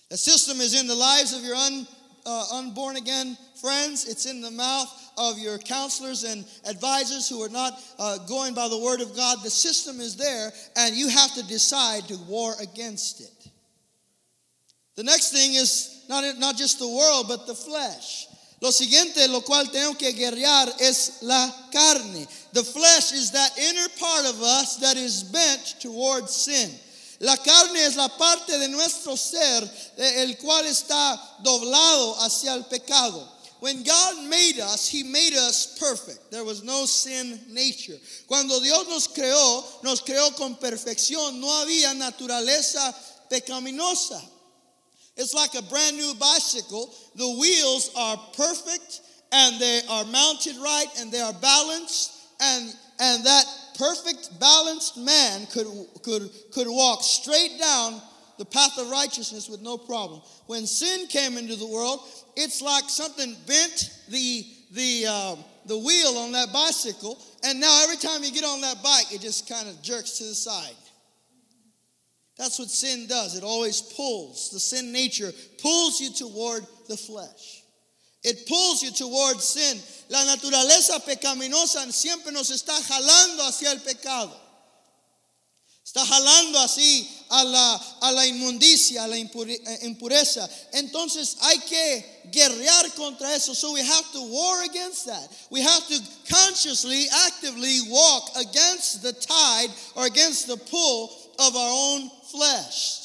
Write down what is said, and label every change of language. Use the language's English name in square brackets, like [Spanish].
[English] The system is in the lives of your unborn again friends. It's in the mouth of your counselors and advisors who are not going by the word of God. The system is there, and you have to decide to war against it. The next thing is not just the world, but the flesh. [Spanish] Lo siguiente lo cual tengo que guerrear es la carne. [English] The flesh is that inner part of us that is bent towards sin. [Spanish] La carne es la parte de nuestro ser el cual está doblado hacia el pecado. [English] When God made us, he made us perfect. There was no sin nature. [Spanish] Cuando Dios nos creó con perfección. No había naturaleza pecaminosa. [English] It's like a brand new bicycle. The wheels are perfect, and they are mounted right, and they are balanced, and that perfect balanced man could walk straight down the path of righteousness with no problem. When sin came into the world, it's like something bent the wheel on that bicycle, and now every time you get on that bike, it just kind of jerks to the side. That's what sin does. It always pulls. The sin nature pulls you toward the flesh. It pulls you towards sin. [Spanish] La naturaleza pecaminosa siempre nos está jalando hacia el pecado. Está jalando así a la inmundicia, a la impureza. Entonces hay que guerrear contra eso. [English] So we have to war against that. We have to consciously, actively walk against the tide or against the pull of our own flesh.